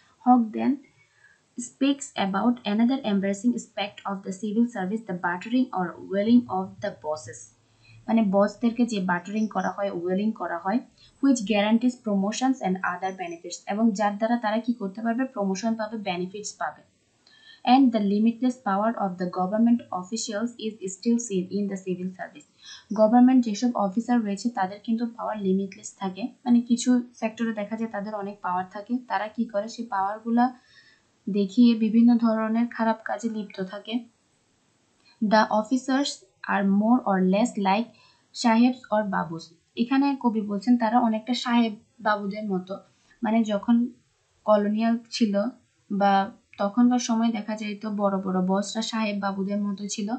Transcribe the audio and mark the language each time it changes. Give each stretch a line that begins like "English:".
English: Haq then speaks about another embarrassing aspect of the civil service, the battering or whaling of the bosses.
Bangla: মানে বসদেরকে যে buttering করা হয়, wailing করা হয়,
English: which guarantees promotions and other benefits,
Bangla: এবং যার দ্বারা তারা কি করতে পারবে, প্রমোশন পাবে, বেনিফিটস পাবে।
English: And the limitless power of the government officials is still seen in the civil service.
Bangla: Government যেসব অফিসার রয়েছে তাদের কিন্তু পাওয়ার লিমিটলেস থাকে, মানে কিছু সেক্টরে দেখা যায় তাদের অনেক পাওয়ার থাকে। তারা কি করে সেই পাওয়ারগুলো দেখিয়ে বিভিন্ন ধরনের খারাপ কাজে লিপ্ত থাকে।
English: the officers are more or less like sahibs or babus,
Bangla: এখানে কবি বলছেন তারা অনেকটা সাহেব বাবুদের মতো, মানে যখন কলোনিয়াল ছিল বা তখনকার সময় দেখা যায় তো বড় বড় বসরা সাহেব বাবুদের মতো ছিল।